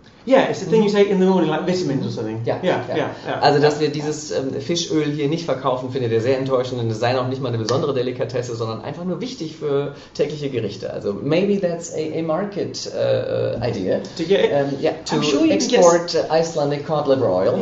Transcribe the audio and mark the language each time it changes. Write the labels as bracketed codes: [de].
[en] Yeah, it's the thing you take in the morning, like vitamins or something. Yeah. [de] Also, dass wir dieses Fischöl hier nicht verkaufen, findet er sehr enttäuschend. Und es sei auch nicht mal eine besondere Delikatesse, sondern einfach nur wichtig für tägliche Gerichte. [en] Also, maybe that's a market idea. To get I'm sure you export Icelandic cod liver oil.